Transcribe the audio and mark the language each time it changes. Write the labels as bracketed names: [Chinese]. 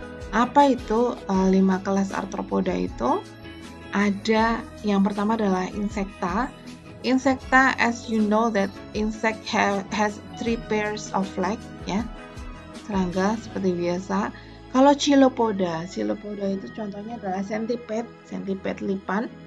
[Indonesian] Apa itu 5 kelas arthropoda itu? Ada yang pertama adalah insecta. [English] Insecta, as you know that insect has 3 pairs of legs, ya. [Indonesian] Serangga seperti biasa. Kalau chilopoda itu contohnya adalah centipede lipan.